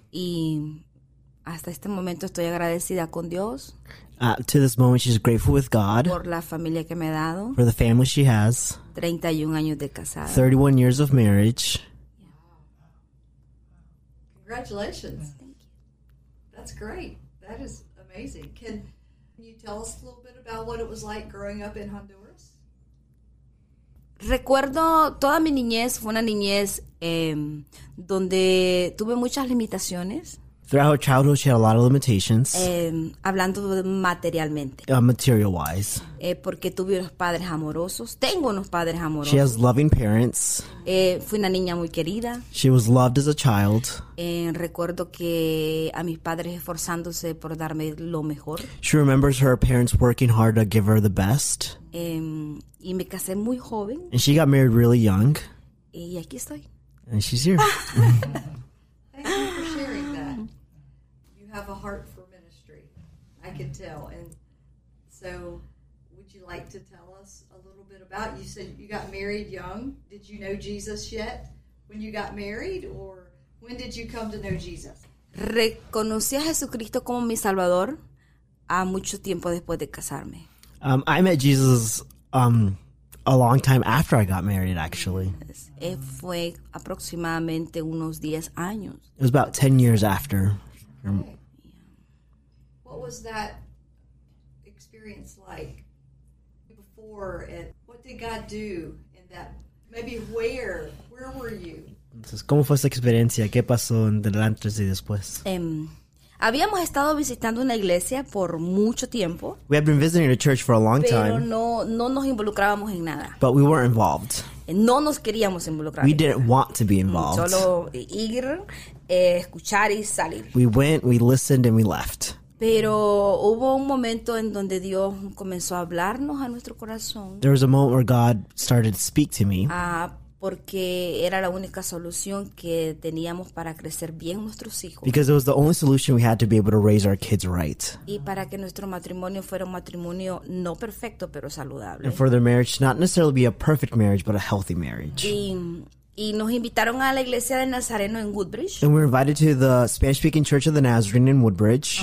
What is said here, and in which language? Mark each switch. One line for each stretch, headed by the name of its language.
Spanish: Y hasta este momento estoy agradecida con Dios.
English: To this moment, she's grateful with God.
Spanish: Por la familia que me ha dado.
English: For the family she has.
Spanish: 31 años de casada.
English: 31 years of marriage. Congratulations. Thank you. That's great. That is amazing. Can you tell us a little bit about what it was like growing up in Honduras?
Spanish: Recuerdo toda mi niñez. Fue una niñez donde tuve muchas limitaciones.
English: Throughout her childhood, she had a lot of limitations.
Spanish: Hablando materialmente.
English: Material-wise.
Spanish: Porque tuve unos padres amorosos. Tengo unos padres amorosos.
English: She has loving parents.
Spanish: Fui una niña muy querida.
English: She was loved as a child.
Spanish: Recuerdo que a mis padres esforzándose por darme lo mejor.
English: She remembers her parents working hard to give her the best.
Spanish: Y me casé muy joven.
English: And she got married really young.
Spanish: Y aquí estoy.
English: And she's here. Thank you for sharing. Have a heart for ministry, I can tell. And so would you like to tell us a little bit about, you said you got married young. Did you know Jesus yet when you got married, or when did you come to know Jesus?
Spanish: Reconocí a Jesucristo como mi Salvador a mucho tiempo después de casarme.
English: I met Jesus a long time after I got married, actually.
Spanish: Fue aproximadamente unos 10 años.
English: It was about 10 years after. Okay. What was that experience like before, and what did God do in that? Maybe where were you?
Spanish: Entonces, ¿cómo fue esa experiencia? ¿Qué pasó antes y después? Habíamos estado visitando una iglesia por mucho tiempo.
English: We had been visiting a church for a long time.
Spanish: Pero no nos involucrábamos en nada.
English: But we weren't involved.
Spanish: No nos queríamos involucrar.
English: We didn't want to be involved.
Spanish: Solo ir, escuchar y salir.
English: We went, we listened, and we left.
Spanish: Pero hubo un momento en donde Dios comenzó a hablarnos a nuestro corazón.
English: There was a moment where God started to speak to me.
Spanish: Porque era la única solución que teníamos para crecer bien nuestros hijos.
English: Because it was the only solution we had to be able to raise our kids right.
Spanish: Y para que nuestro matrimonio fuera un matrimonio no perfecto, pero saludable.
English: And for their marriage not necessarily be a perfect marriage, but a healthy marriage.
Spanish: Y nos invitaron a la iglesia de Nazareno en Woodbridge.
English: And we were invited to the Spanish-speaking Church of the Nazarene in Woodbridge.